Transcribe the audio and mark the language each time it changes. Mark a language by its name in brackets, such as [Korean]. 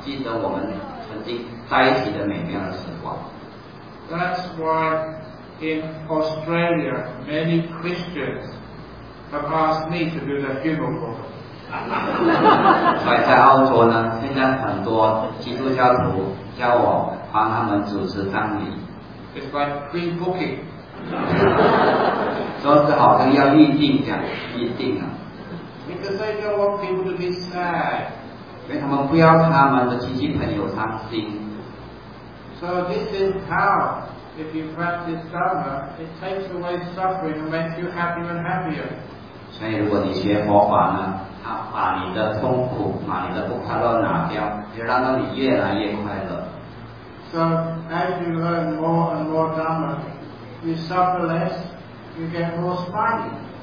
[Chinese] 对，告诉你的亲属说，当我去世的时候，在我的葬礼里面不要哭，不要担心，就当做是一个音乐会，哦，已经结束了。记得那音乐会的美妙的时光，记得我们曾经在一起的美妙的时光。 [English] That's why in Australia many Christians have asked me to do the funeral for them. [Chinese] 所以在澳洲呢，现在很多基督教徒叫我帮他们主持葬礼。 [English] It's like pre-booking. [Chinese] 说是好像要预定这样，预定了。 [English] Because they don't want people to be sad. [Chinese] 因为他们不要他们的亲戚朋友伤心。 [English] So this is how, if you practice Dharma, it takes away suffering and makes you happier and happier. [Chinese] 所以如果你学佛法呢， 把你的痛苦，把你的不快乐拿掉，就让你越来越快乐。 [English] So as you learn more and more Dharma, you suffer less, you get more smiling.